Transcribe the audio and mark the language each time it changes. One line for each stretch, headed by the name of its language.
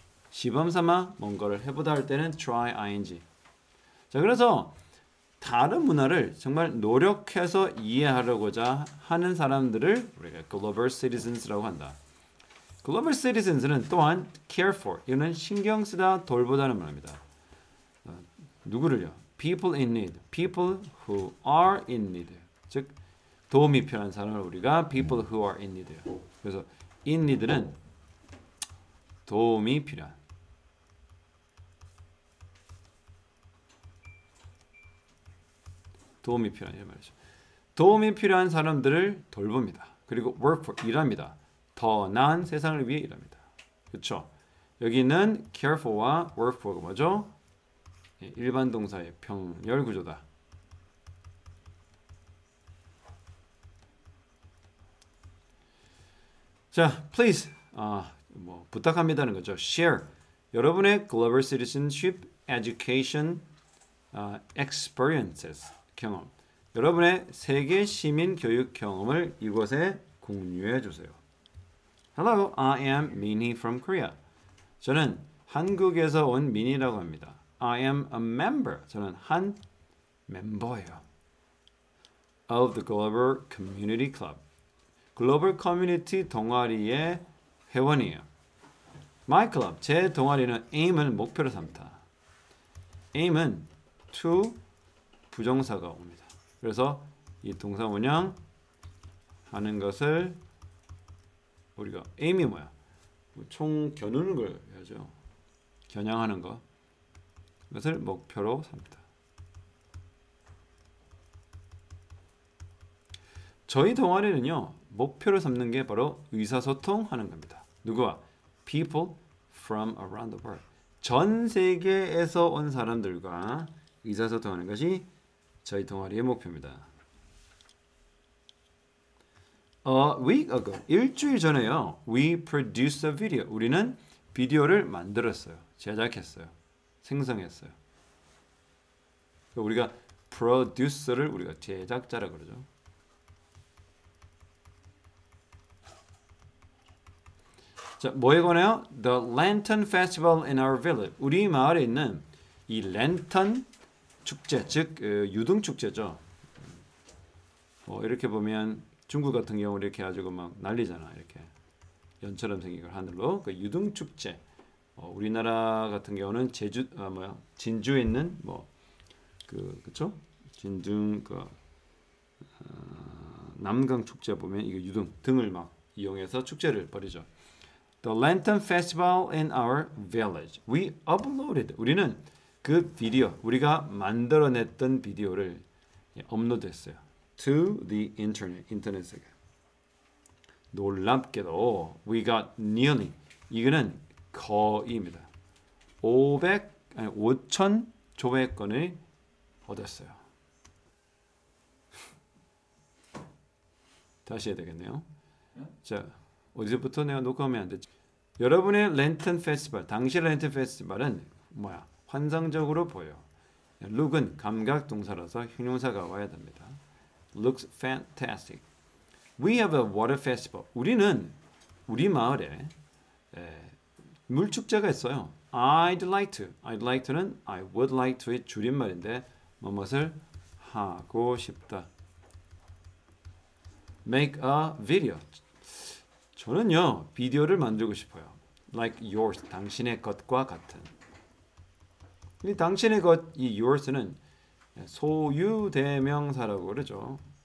Korean: 시범 삼아 뭔가를 해보다 할 때는 try ing. 자, 그래서 다른 문화를 정말 노력해서 이해하려고자 하는 사람들을 우리가 global citizens라고 한다. global citizens는 또한
English: care for,
Korean: 이거는 신경 쓰다, 돌보다는 말입니다. 누구를요?
English: people in need, people who are in need.
Korean: 즉, 도움이 필요한 사람을 우리가
English: people who are in need
Korean: 요. 그래서 in need는 도움이 필요한. 도움이 필요한 이런 말이죠. 도움이 필요한 사람들을 돌봅니다. 그리고
English: work for,
Korean: 일합니다. 더 나은 세상을 위해 일합니다. 그렇죠? 여기는
English: care for
Korean: 와
English: work for
Korean: 가 뭐죠? 일반 동사의 병렬 구조다. 자, please, 뭐 부탁합니다는 거죠.
English: Share
Korean: 여러분의
English: global citizenship education experiences
Korean: 경험. 여러분의 세계 시민 교육 경험을 이곳에 공유해 주세요.
English: Hello, I am Minnie from Korea.
Korean: 저는 한국에서 온 민희라고 합니다.
English: I am a member.
Korean: 저는 한 멤버예요.
English: Of the Global Community Club.
Korean: 글로벌 커뮤니티 동아리의 회원이에요.
English: My club,
Korean: 제 동아리는 aim을 목표로 삼다. aim은 to 부정사가 옵니다. 그래서 이 동사 운영 하는 것을 우리가 aim이 뭐야? 총 겨누는 걸 해야죠. 겨냥하는 것. 그것을 목표로 삽니다. 저희 동아리는요, 목표로 삼는 게 바로 의사소통하는 겁니다. 누구와?
English: People from around the world.
Korean: 전 세계에서 온 사람들과 의사소통하는 것이 저희 동아리의 목표입니다.
English: A week ago,
Korean: 일주일 전에요.
English: We produced a video.
Korean: 우리는 비디오를 만들었어요. 제작했어요. 생성했어요. 우리가 producer를 우리가 제작자라고 그러죠.
English: The Lantern Festival in our village.
Korean: 우리 마을에 있는 이 랜턴 축제, 즉 유등 축제죠. 뭐 이렇게 보면 중국 같은 경우 이렇게 아주 막 난리잖아. 이렇게 연처럼 생긴 걸 하늘로. 그 유등 축제. 우리나라 같은 경우는 제주 진주에 있는 뭐 그쵸? 진주 그 남강 축제 보면 이게 유등 등을 막 이용해서 축제를 벌이죠.
English: The Lantern Festival in our village. We uploaded.
Korean: 우리는 그 비디오, 우리가 만들어냈던 비디오를 업로드했어요.
English: To the internet,
Korean: 인터넷에. 놀랍게도
English: we got nearly.
Korean: 이거는 거의입니다. 5천 조회권을 얻었어요. 다시 해야 되겠네요. 자, 어디서부터 내가 녹음하면 안 되지? 여러분의 랜턴 페스티벌, 당시의 랜턴 페스티벌은 뭐야? 환상적으로 보여. Look은 감각 동사라서 형용사가 와야 됩니다.
English: Looks fantastic. We have a water festival.
Korean: 우리는 우리 마을에 물축제가 있어요.
English: I'd like to. I'd like to
Korean: 는
English: I would like to
Korean: 의 줄임말인데 무엇을 하고 싶다.
English: Make a video.
Korean: 저는요, 비디오를 만들고 싶어요.
English: Like yours,
Korean: 당신의 것과 같은. 이 당신의 것, 이 yours는 소유 대명사라고 그러죠.